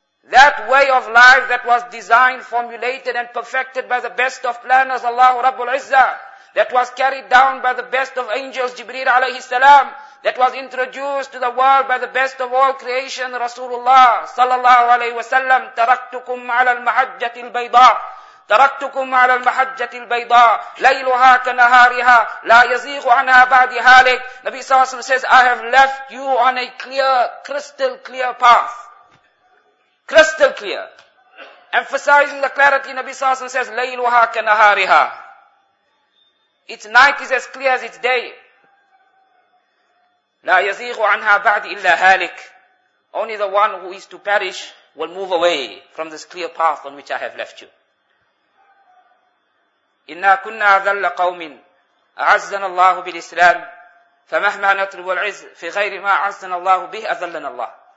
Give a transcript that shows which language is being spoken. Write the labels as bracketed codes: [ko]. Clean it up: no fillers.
[en] That way of life that was designed, formulated and perfected by the best of planners, Allahu Rabbul Izzah, that was carried down by the best of angels, Jibreel alayhi salam, that was introduced to the world by the best of all creation, Rasulullah sallallahu alayhi wa sallam, [ar] taraktukum ala al-mahajjati al-bayda. تركتكم على المحجة البيضاء ليلها كنهارها لا يزيغ عنها بعد هالك. [en] Nabi صلى الله عليه وسلم says, I have left you on a clear, crystal clear path. Crystal clear. Emphasizing the clarity, Nabi صلى الله عليه وسلم says, [ar] ليلها كنهارها. [en] Its night is as clear as its day. [ar] لا يزيغ عنها بعد إلا هالك. [en] Only the one who is to perish will move away from this clear path on which I have left you. [ar] إِنَّا كُنَّا ذَلَّ قَوْمٍ أَعَزَّنَ اللَّهُ بِالْإِسْلَامِ فَمَهْمَا نَطْلُبُ الْعِزِّ فِي غَيْرِ مَا عَزَّنَ اللَّهُ بِهِ أَذَلَّنَ اللَّهُ.